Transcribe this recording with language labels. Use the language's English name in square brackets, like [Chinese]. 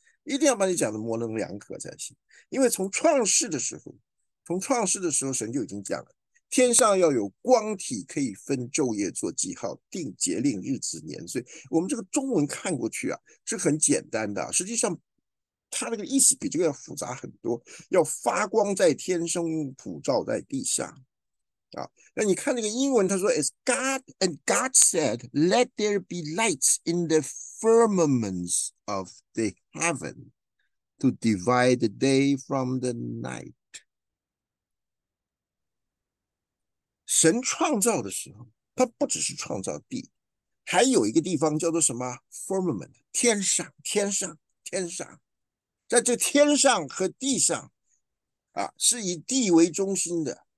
[Chinese] 一定要把你讲的模棱两可才行，因为从创世的时候，神就已经讲了，天上要有光体，可以分昼夜做记号，定节令日子年岁。我们这个中文看过去啊，是很简单的，实际上它那个意思比这个要复杂很多，要发光在天上，普照在地下啊。那你看那个英文，他说 [English] "It's God and God said, let there be lights in the firmaments of the heaven to divide the day from the night." [Chinese] 神创造的时候，他不只是创造地，还有一个地方叫做什么 firmament，天上，天上，天上，在这天上和地上啊，是以地为中心的。